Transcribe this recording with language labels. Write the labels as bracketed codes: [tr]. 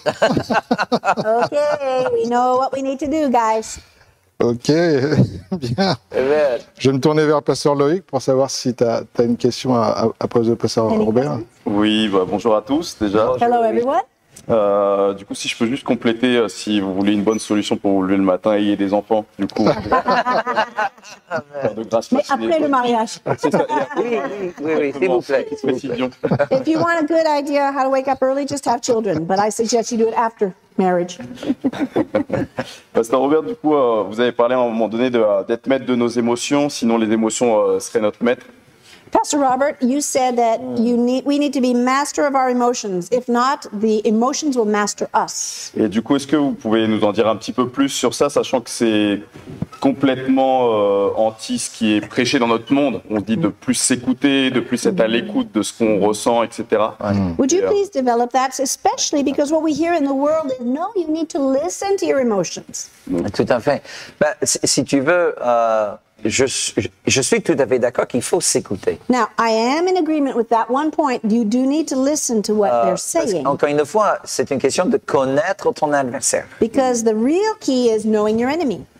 [en] Okay, we know what we need to do, guys. [fr] Okay, bien. Amen. Je vais me tourner vers Pasteur Loïc pour savoir si tu as une question à poser au Pasteur Robert. Oui, bah, bonjour à tous, déjà. [en] Hello, everyone. [fr] Du coup, si je peux juste compléter, si vous voulez une bonne solution pour vous lever le matin, ayez des enfants, du coup. De grâce, mais après le mariage. Oui, s'il vous plaît. [en] If you want a good idea how to wake up early, just have children. But I suggest you do it after marriage. [fr] Pasteur Robert, du coup, vous avez parlé à un moment donné d'être maître de nos émotions, sinon les émotions seraient notre maître. [en] Pastor Robert, you said that we need to be master of our emotions. If not, the emotions will master us. [fr] Et du coup, est-ce que vous pouvez nous en dire un petit peu plus sur ça, sachant que c'est complètement anti ce qui est prêché dans notre monde? On dit de plus s'écouter, de plus être à l'écoute de ce qu'on ressent, etc. [en] Would you please develop that, especially because what we hear in the world is no, you need to listen to your emotions. [fr] Tout à fait. Ben, si tu veux. Je suis tout à fait d'accord qu'il faut s'écouter. [en] Now, I am in agreement with that one point. You do need to listen to what they're saying. [fr] Encore une fois, c'est une question de connaître ton adversaire. [en] Because the real key is knowing your enemy.